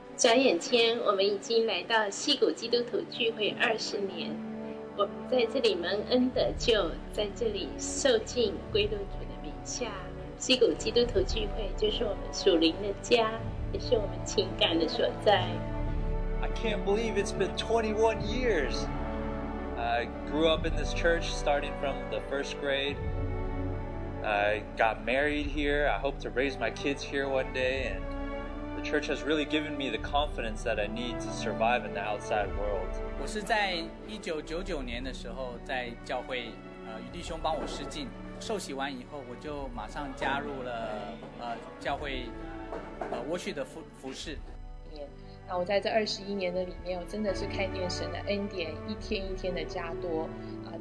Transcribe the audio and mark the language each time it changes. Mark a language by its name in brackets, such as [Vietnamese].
[Chinese] 转眼间我们已经来到矽谷基督徒聚会20年，我们在这里蒙恩得救，在这里受浸归入主的名下。矽谷基督徒聚会就是我们属灵的家，也是我们情感的所在。 [English] I can't believe it's been 21 years. I grew up in this church starting from the first grade. I got married here. I hope to raise my kids here one day. And the church has really given me the confidence that I need to survive in the outside world. [Chinese] 我是在1999年的时候在教会，与弟兄帮我施浸，受洗完以后我就马上加入了教会worship的服饰。那我在这21年的里面，我真的是看见神的恩典一天一天的加多啊！